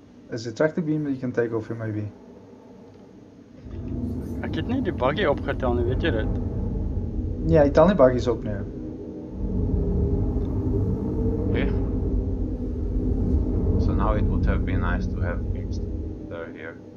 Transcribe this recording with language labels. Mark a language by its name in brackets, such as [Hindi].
[English] Is it a tractor beam that you can take off here, maybe? [Afrikaans] Ek het nie die buggy opgetel nie, weet jy dit? Nee, hy tel nie buggies op nie. [English] Okay. So now it would have been nice to have fixed there here.